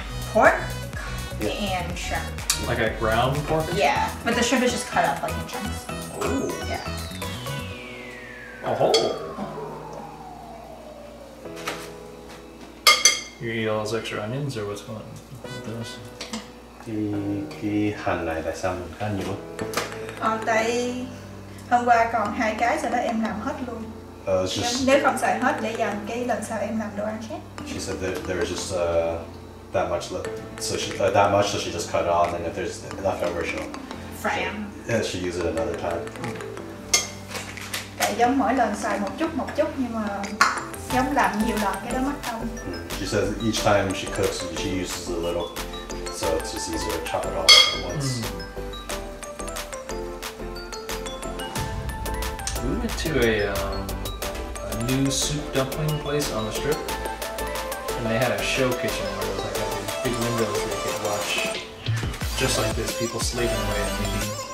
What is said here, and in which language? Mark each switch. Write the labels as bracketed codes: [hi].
[en] Pork and shrimp. Like a ground pork? Yeah, but the shrimp is just cut up like in chunks. Ooh. Yeah. A whole. You eat all those extra onions, or what's going on with this? [vi] Cái hành này tại sao mình khá nhiều? Tại hôm qua còn hai cái rồi đó em làm hết luôn. Nếu không xài hết để dành cái lần sau em làm đồ ăn khác. [en] She said that there was just that much left, so she that much so she just cut it off, and if there's leftover she'll fry them. Yeah, she use it another time. [vi] Tại giống mỗi lần xài một chút nhưng mà giống làm nhiều lần cái đó mất công. [en] She says each time she cooks she uses a little. So it's just easier to chop it all at once. Mm. We went to a new soup dumpling place on the strip. And they had a show kitchen where it was like these big windows where you could watch just like this, people slaving away and eating.